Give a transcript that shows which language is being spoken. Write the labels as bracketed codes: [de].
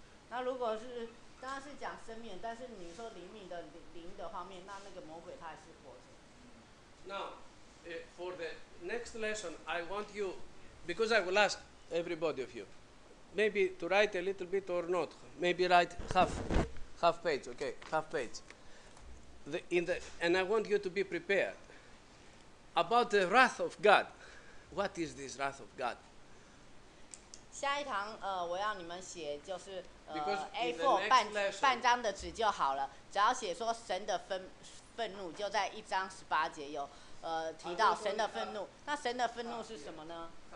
[zh] 那如果是当然是讲生命，但是你说灵命的灵的方面，那那个魔鬼他还是活着。 [en] Now, for the next lesson, I want you, because I will ask everybody of you, maybe to write a little bit or not, maybe write half page, okay, half page. And I want you to be prepared about the wrath of God. What is this wrath of God? [zh] 下一堂我要你们写就是 A4 半张的纸就好了，只要写说神的愤怒，就在一章十八节有提到神的愤怒。那神的愤怒是什么呢？